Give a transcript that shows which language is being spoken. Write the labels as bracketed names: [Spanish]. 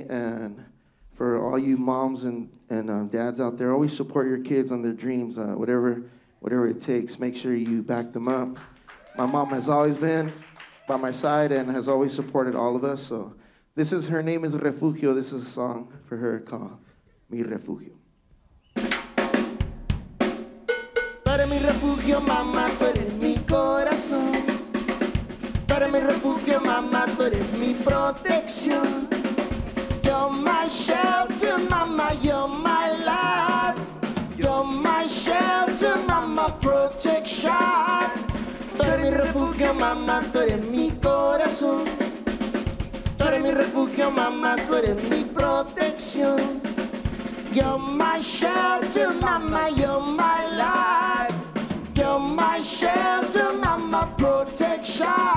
[English] And for all you moms and dads out there, always support your kids on their dreams. Whatever it takes, make sure you back them up. My mom has always been by my side and has always supported all of us. So this is, her name is Refugio. This is a song for her called Mi Refugio. [Spanish] Para mi refugio, mamá, tú eres mi corazón. Para mi refugio, mamá, tú eres mi protección. [English] You're my shelter, mamá, you're my love. You're my shelter, mamá, protection. [Spanish] Tú eres mi refugio, mamá, tú eres mi corazón. Tú eres mi refugio, mamá, tú eres mi protección. [English] You're my shelter, mamá, you're my life. You're my shelter, mama, protection.